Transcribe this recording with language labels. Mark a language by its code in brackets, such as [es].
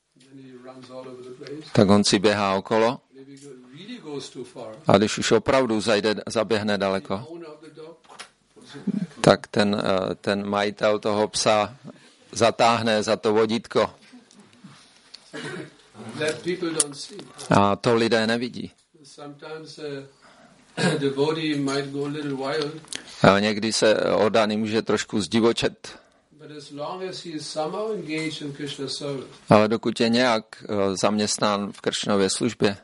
[en] Then he runs all over the place. [cs] Tak on si běhá okolo. [en] Maybe he really goes too far. [cs] A když už opravdu zaběhne daleko. [en] The owner of the dog. [cs] tak ten majitel toho psa zatáhne za to vodítko. [en] That people don't see. [cs] A to lidé nevidí. [en] Sometimes the body might go a little wild. [cs] A někdy se oddaný může trošku zdivočet. [en] But as long as he is somehow engaged in Krishna service. [cs] Ale dokud je nějak zaměstnán v Kršnově službě.